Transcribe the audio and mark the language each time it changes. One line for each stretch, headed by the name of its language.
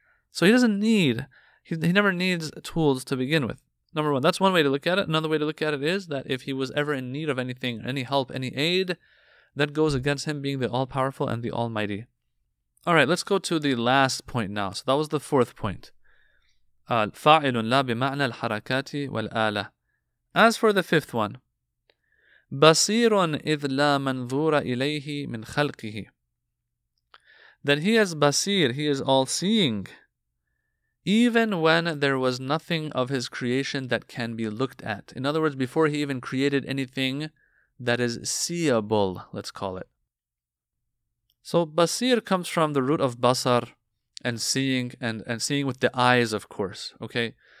English: So he never needs tools to begin with. Number one, that's one way to look at it. Another way to look at it is that if He was ever in need of anything, any help, any aid, that goes against Him being the all-powerful and the almighty. All right, let's go to the last point now. So that was the fourth point.
Arabic: فَاعِلٌ لَا بِمَعْنَى الْحَرَكَاتِ وَالْآلَةِ.
English: As for the fifth one,
Arabic: بَصِيرٌ إِذْ لَا مَنْظُورَ إِلَيْهِ مِنْ خَلْقِهِ.
English: Then he is basir, he is all-seeing, even when there was nothing of his creation that can be looked at. In other words, before he even created anything that is seeable, let's call it. So basir comes from the root of basar and seeing, and seeing with the eyes, of course, okay?